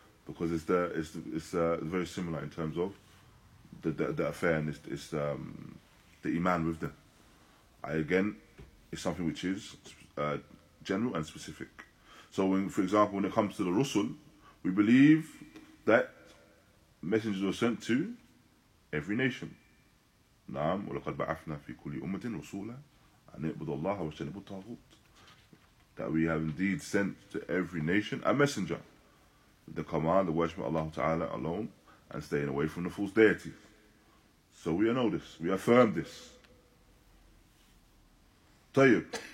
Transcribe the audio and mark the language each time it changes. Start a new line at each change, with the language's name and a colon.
English: Because it's very similar in terms of the affair and it's the Iman with them. Again, it's something which is general and specific. So when it comes to the Rusul, we believe that messengers were sent to every nation.
Arabic: نعم ولقد بعثنا في كل أمة رسولا أن يعبدوا الله واجتنبوا الطاغوت.
English: That we have indeed sent to every nation a messenger with the command to worship Allah Ta'ala alone and staying away from the false deities. So we know this, we affirm this.
Arabic: طيب.